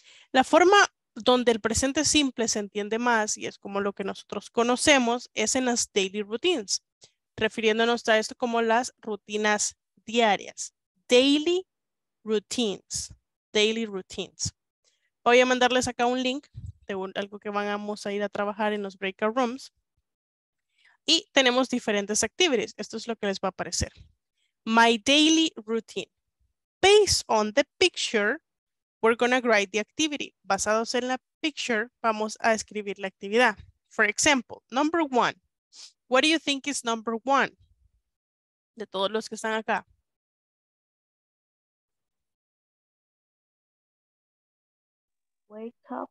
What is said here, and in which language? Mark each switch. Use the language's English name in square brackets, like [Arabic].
[Spanish] La forma donde el presente simple se entiende más y es como lo que nosotros conocemos es en las daily routines, refiriéndonos a esto como las rutinas diarias. [English] Daily routines. Daily routines. [Spanish] Voy a mandarles acá un link de algo que vamos a ir a trabajar en los breakout rooms. Y tenemos diferentes activities. Esto es lo que les va a aparecer. [English] My daily routine. Based on the picture, we're going to write the activity. [Spanish] Basados en la picture, vamos a escribir la actividad. [English] For example, number one. What do you think is number one? [Spanish] De todos los que están acá. [English] I wake up.